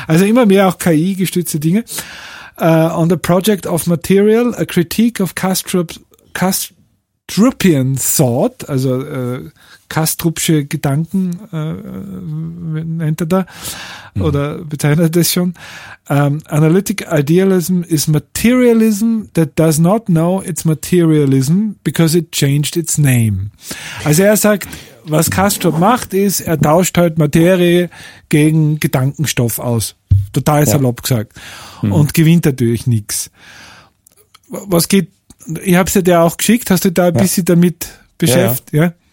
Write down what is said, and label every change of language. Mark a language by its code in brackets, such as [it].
[de] Also immer mehr auch KI-gestützte Dinge. [en] On the Project of Material, a Critique of Kastrop's Castrupian Thought, [de] also kastrupsche Gedanken nennt er da, oder bezeichnet er das schon. [en] Analytic Idealism is materialism that does not know it's materialism because it changed its name. [de] Also er sagt, was Kastrup macht ist, er tauscht halt Materie gegen Gedankenstoff aus. Total salopp gesagt. Und gewinnt natürlich nichts. Was geht? Ich habe es dir auch geschickt, hast du da ein bisschen damit beschäftigt? Ja.